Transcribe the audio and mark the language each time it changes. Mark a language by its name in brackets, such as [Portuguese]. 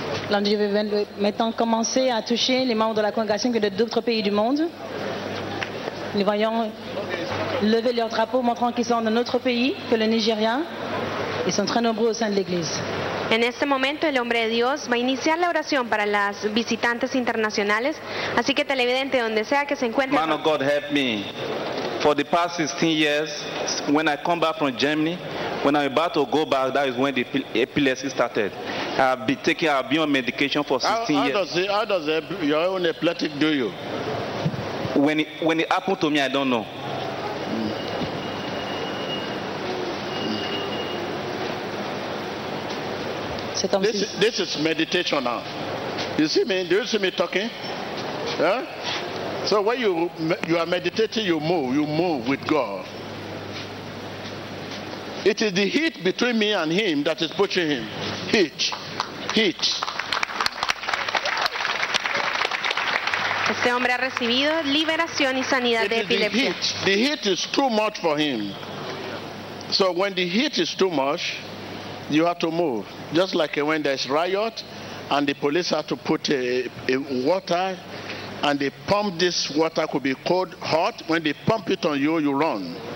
[French] L'homme de Dieu veut maintenant commencer à toucher les membres de la congrégation que de d'autres pays du monde. Nous voyons lever leur drapeau montrant qu'ils sont d'un autre pays que le Nigeria. Ils sont très nombreux au sein de l'Église. [Spanish] En este momento, el hombre de Dios va a iniciar la oración para las visitantes internacionales. Así que televidente, donde sea que se encuentre. [English] Man of God, help me. For the past 16 years, when I come back from Germany, when I'm about to go back, that is when the epilepsy started. I've been on medication for 16 years. How does your own epileptic do you? When it happened to me, I don't know. This is meditation now. You see me? Do you see me talking? Yeah? So when you are meditating, you move with God. It is the heat between me and him that is pushing him. Heat. [Spanish] Este hombre ha recibido liberación y sanidad de epilepsia. [English] The heat is too much for him. So when the heat is too much, you have to move. Just like when there's riot and the police have to put a water and they pump this water, could be cold, hot. When they pump it on you, you run.